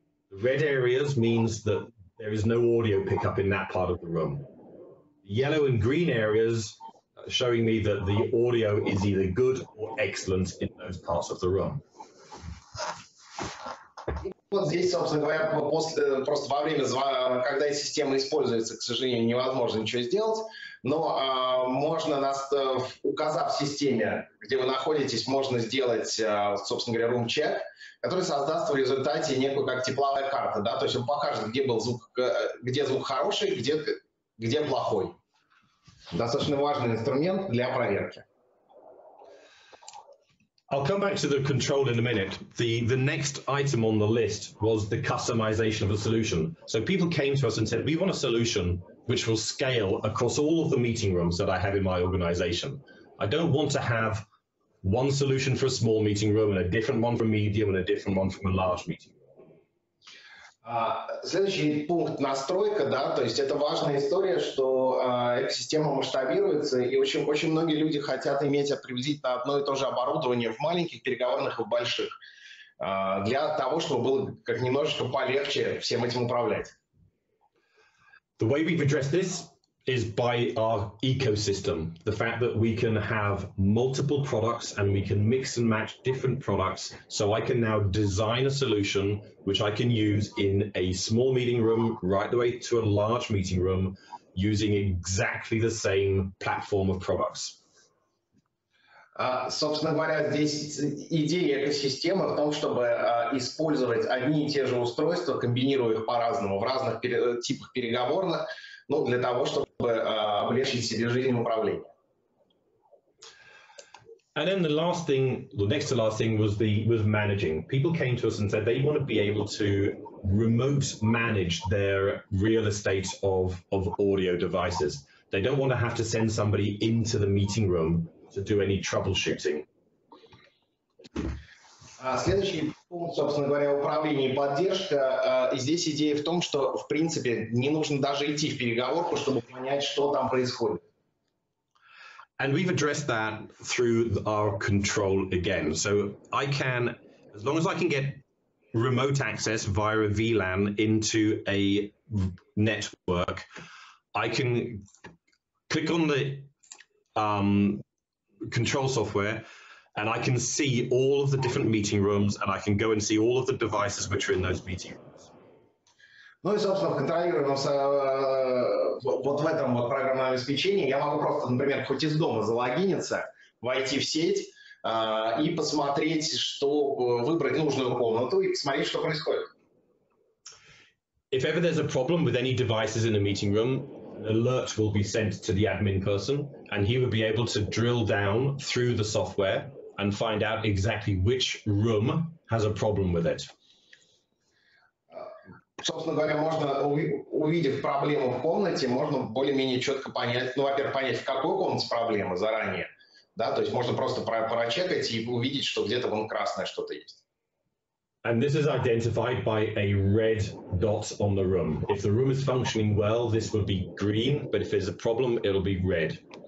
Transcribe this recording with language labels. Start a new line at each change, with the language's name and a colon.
English: The red areas means that there is no audio pickup in that part of the room. Yellow and green areas showing me that the audio is either good or excellent in those parts of the room.
Russian: Вот здесь, собственно говоря, после, просто во время звонка, когда система используется, к сожалению, невозможно ничего сделать, но можно, указав системе, где вы находитесь, можно сделать, собственно говоря, room check, который создаст в результате некую как тепловая карта, да, то есть он покажет, где был звук, где звук хороший, где... Где плохой? Достаточно важный инструмент для проверки.
English: I'll come back to the control in a minute. The next item on the list was the customization of a solution. So people came to us and said, we want a solution which will scale across all of the meeting rooms that I have in my organization. I don't want to have one solution for a small meeting room and a different one for a medium and a different one from a large meeting room.
Russian: Следующий пункт – настройка, да, то есть это важная история, что экосистема масштабируется, и очень, очень многие люди хотят иметь приблизительно одно и то же оборудование в маленьких, переговорных и в больших, для того, чтобы было как немножечко полегче всем этим управлять.
English: The way we've addressed this is by our ecosystem. The fact that we can have multiple products and we can mix and match different products. So I can now design a solution which I can use in a small meeting room right the way to a large meeting room using exactly the same platform of products.
Russian: Собственно говоря, здесь идея экосистемы в том, чтобы использовать одни и те же устройства, комбинируя их по-разному в разных типах переговорных, ну, для того, чтобы облегчить себе жизнь управления.
English: And then the last thing, the next to last thing was managing. People came to us and said they want to be able to remote manage their real estate of audio devices. They don't want to have to send somebody into the meeting room to do any troubleshooting.
Russian: Следующий пункт, собственно говоря, управление и поддержка. И здесь идея в том, что, в принципе, не нужно даже идти в переговорку, чтобы понять, что там происходит.
English: And we've addressed that through our control again. So I can, as long as I can get remote access via a VLAN into a network, I can click on the control software, and I can see all of the different meeting rooms, and I can go and see all of the devices which are in those meeting rooms.
Russian: Ну и, собственно, в контролируемом вот в этом вот программном обеспечении я могу просто, например, хоть из дома залогиниться, войти в сеть и посмотреть, что выбрать нужную комнату и посмотреть, что происходит.
English: if ever there's a problem with any devices in a meeting room, an alert will be sent to the admin person, and he will be able to drill down through the software and find out exactly which room has a problem with it.
Russian: Собственно говоря, можно, увидев проблему в комнате, можно более-менее четко понять, ну, во-первых, понять, в какой комнате проблема заранее, да, то есть можно просто прочекать и увидеть, что где-то вон красное что-то есть.
English: And this is identified by a red dot on the room. If the room is functioning well, this will be green, but if there's a problem, it'll be red.